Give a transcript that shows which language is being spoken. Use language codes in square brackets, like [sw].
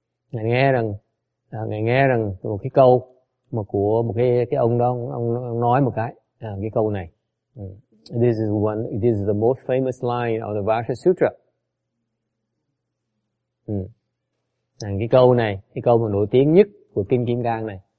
[vi] Ngài nghe rằng một cái câu mà của một cái ông đó ông nói một cái câu này. [en] This is the most famous line of the Vajra Sutra. [vi] Cái câu mà nổi tiếng nhất của kinh Kim Cang này.